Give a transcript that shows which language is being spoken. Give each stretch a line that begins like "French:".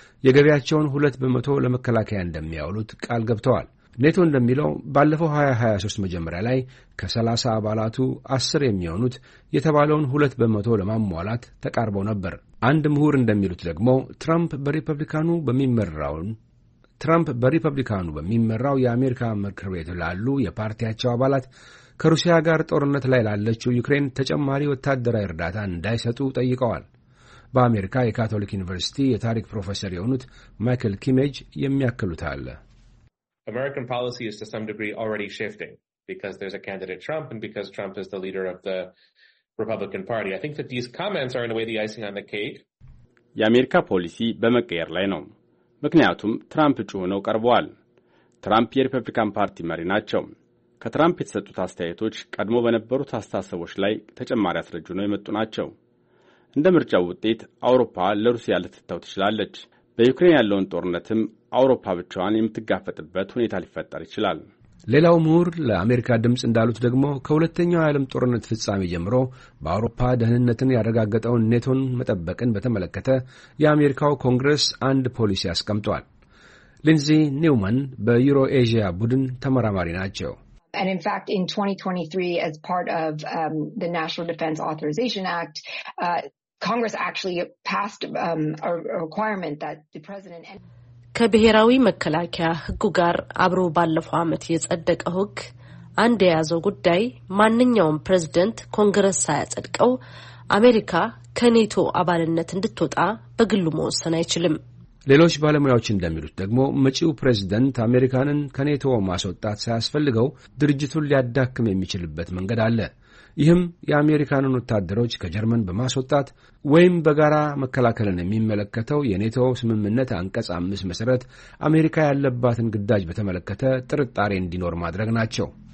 Amharic: የገቢያቸውን 2% ለመከላከያ እንደሚያውሉት ቃል ገብተዋል። ኔቶ እንደሚለው ባለፈው 2023 መጀመሪያ ላይ ከ30 አባላቱ 10 የሚሆኑት የተባለውን 2% ለማሟላት ተቃርበው ነበር። አንድ ምሁር እንደሚሉት ደግሞ ትራምፕ በሪፐብሊካኑ በሚመራው የአሜሪካ ምክር ቤት ላሉ የፓርቲያቸው አባላት ከሩሲያ ጋር ጦርነት ላይ ላለችው ዩክሬን ተጨማሪ ወታደራዊ እርዳታ እንዳይሰጡ ጠይቀዋል። በአሜሪካ የካቶሊክ ዩኒቨርሲቲ የታሪክ ፕሮፌሰር የሆኑት ማይክል ኪሜጅ የሚያክሉት አለ።
English: American policy is to some degree already shifting because there's a candidate Trump and because Trump is the leader of the Republican Party. I think that these comments are in a way the icing on the cake.
Amharic: የአሜሪካ ፖሊሲ በመቀየር ላይ ነው። ምክንያቱም ትራምፕ እጩ ሆነው ቀርበዋል። ትራምፕ የሪፐብሊካን ፓርቲ መሪ ናቸው። ከትራምፕ የተሰጡት አስተያየቶች ቀድሞ በነበሩት አስተሳሰቦች ላይ ተጨማሪ አስረጅ ነው የመጡ ናቸው። እንደ ምርጫው ውጤት አውሮፓ ለሩሲያ ልትተው ትችላለች። በዩክሬን ያለውን ጦርነትም አውሮፓ ብቻዋን የምትጋፈጥበት ሁኔታ ሊፈጠር ይችላል። ሌላው ምሁር ለአሜሪካ ድምፅ እንዳሉት ደግሞ ከሁለተኛው የዓለም ጦርነት ፍጻሜ ጀምሮ በአውሮፓ ደህንነትን ያረጋገጠውን ኔቶን መጠበቅን በተመለከተ የአሜሪካው ኮንግረስ አንድ ፖሊሲ አስቀምጧል። ሊንዚ ኒውማን በዩሮ ኤዥያ ቡድን ተመራማሪ ናቸው።
English: And in fact, in 2023, as part of the National Defense Authorization Act, Congress actually passed a requirement that the president and
Amharic: ከብሔራዊ መከላከያ ህጉ ጋር አብሮ ባለፈው አመት የጸደቀው ህግ አንድ የያዘው ጉዳይ ማንኛውም ፕሬዝዳንት ኮንግረስ ሳይጸድቀው አሜሪካ ከኔቶ አባልነት እንድትወጣ በግሉ መወሰን አይችልም። ሌሎች ባለሙያዎች እንደሚሉት ደግሞ መጪው ፕሬዝዳንት አሜሪካንን ከኔቶ ማስወጣት ሳያስፈልገው ድርጅቱን ሊያዳክም የሚችልበት መንገድ አለ። ይህም የአሜሪካንን ወታደሮች ከጀርመን በማስወጣት ወይም በጋራ መከላከልን የሚመለከተው የኔቶ ስምምነት አንቀጽ 5 መሰረት አሜሪካ ያለባትን ግዳጅ በተመለከተ ጥርጣሬ እንዲኖር ማድረግ ናቸው።